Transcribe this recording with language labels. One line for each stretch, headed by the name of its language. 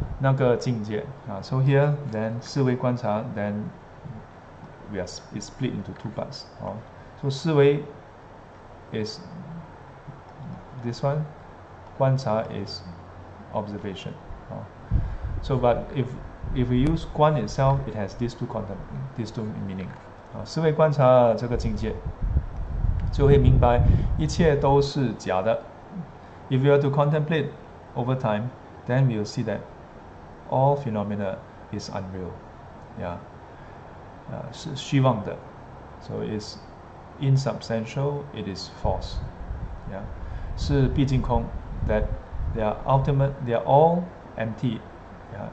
Chinese: 那个境界,
English: so here, then 思维观察, then we are split into two parts. So 思维 is this one, 观察 is observation. So but if we use 观 itself, it has these two content, these two meaning.
Chinese: 思维观察这个境界, 就会明白一切都是假的.
English: If we are to contemplate over time, then we will see that all phenomena is unreal, yeah.
Chinese: 是虚妄的,
English: so it's insubstantial, it is false, yeah.
Chinese: 是毕竟空,
English: that they are ultimate, they are all empty, yeah.